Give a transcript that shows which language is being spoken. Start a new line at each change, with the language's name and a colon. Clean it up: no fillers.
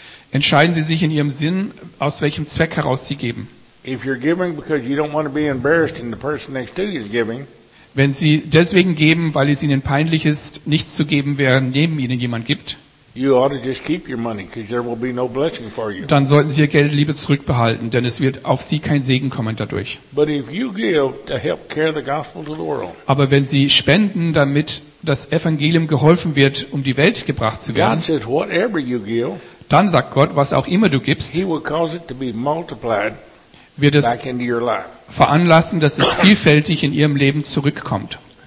German: Entscheiden Sie sich in Ihrem Sinn, aus welchem Zweck heraus Sie geben.
English: If you're giving because you don't want to be embarrassed and the person next to you is giving.
German: Wenn Sie deswegen geben, weil es Ihnen peinlich ist, nichts zu geben, während neben Ihnen jemand gibt.
English: You ought to just keep your money, because there will be no blessing for you.
German: Dann sollten Sie Ihr Geld lieber zurückbehalten, denn es wird auf Sie kein Segen kommen dadurch.
English: But if you give to help carry the gospel to the world.
German: Aber wenn Sie spenden, damit das Evangelium geholfen wird, um die Welt gebracht zu werden.
English: God says, whatever you give,
German: dann sagt Gott, was auch immer du gibst,
English: he will cause it to be multiplied
German: wird es
English: back into your life.
German: Veranlassen, dass es vielfältig in Ihrem Leben zurückkommt,